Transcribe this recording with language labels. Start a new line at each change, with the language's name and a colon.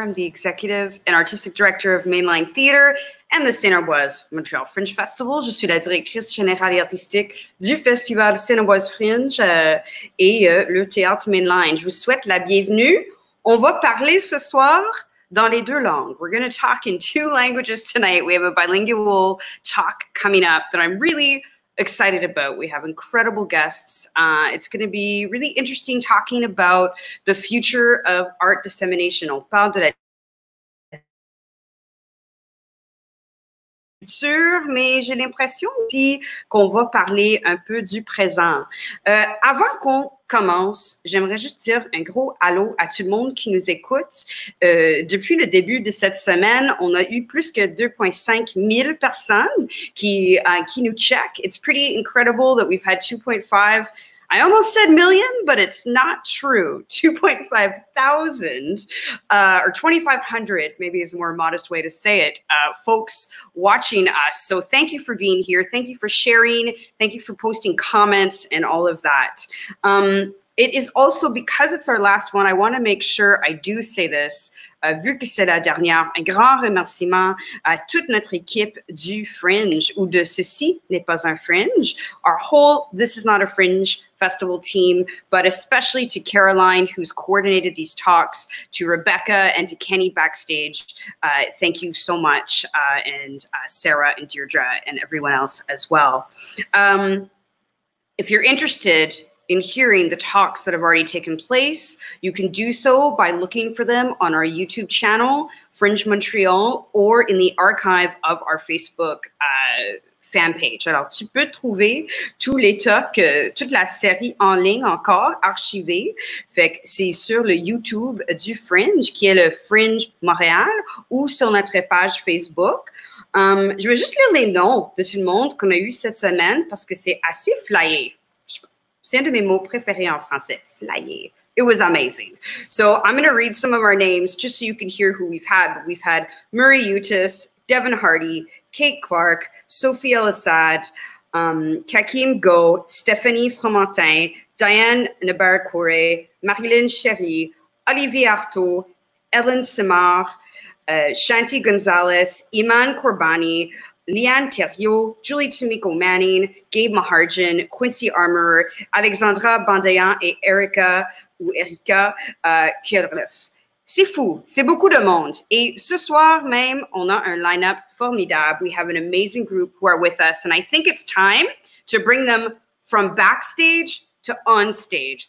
English: I'm the executive and artistic director of Mainline Theatre and the Cinéboise Montreal Fringe Festival.
French: Je suis la directrice générale et artistique du festival Cinéboise Fringe le théâtre Mainline. Je vous souhaite la bienvenue. On va parler ce soir dans les deux langues.
English: We're going to talk in two languages tonight. We have a bilingual talk coming up that I'm really excited about. We have incredible guests. It's going to be really interesting talking about the future of art dissemination.
French: On parle de la future, mais j'ai l'impression aussi qu'on va parler un peu du présent. Avant qu'on commence, j'aimerais juste dire un gros allô à tout le monde qui nous écoute. Depuis le début de cette semaine, on a eu plus que 2,5 000 personnes qui nous check.
English: It's pretty incredible that we've had 2.5, I almost said million, but it's not true, 2,500 or 2,500 maybe is a more modest way to say it, folks watching us. So thank you for being here. Thank you for sharing. Thank you for posting comments and all of that. It is also, because it's our last one, I want to make sure I do say this.
French: Vu que c'est la dernière, un grand remerciement à toute notre équipe du Fringe, ou de ceci n'est pas un Fringe.
English: Our whole This Is Not a Fringe Festival team, but especially to Caroline, who's coordinated these talks, to Rebecca and to Kenny backstage. Thank you so much, and Sarah and Deirdre and everyone else as well. If you're interested in hearing the talks that have already taken place, you can do so by looking for them on our YouTube channel, Fringe Montreal, or in the archive of our Facebook fan page.
French: Alors, tu peux trouver tous les talks, toute la série en ligne encore archivée. Fait que c'est sur le YouTube du Fringe, qui est le Fringe Montréal, ou sur notre page Facebook. Je vais juste lire les noms de tout le monde qu'on a eu cette semaine parce que c'est assez flyé. C'est un de mes mots préférés en français, flyer.
English: It was amazing. So I'm going to read some of our names just so you can hear who we've had. We've had Murray Utis, Devin Hardy, Kate Clark, Sophie El-Assad, Kakim Go, Stephanie Fromentin, Diane Nabarcouré, Marilyn Chéry, Olivier Artaud, Ellen Simard, Shanti Gonzalez, Iman Corbani, Leanne Thériault, Julie Tumiko Manning, Gabe Maharjan, Quincy Armour, Alexandra Bandayan et Erika, ou Erika Kierleff.
French: C'est fou, c'est beaucoup de monde. Et ce soir même, on a un lineup formidable.
English: We have an amazing group who are with us, and I think it's time to bring them from backstage to on stage.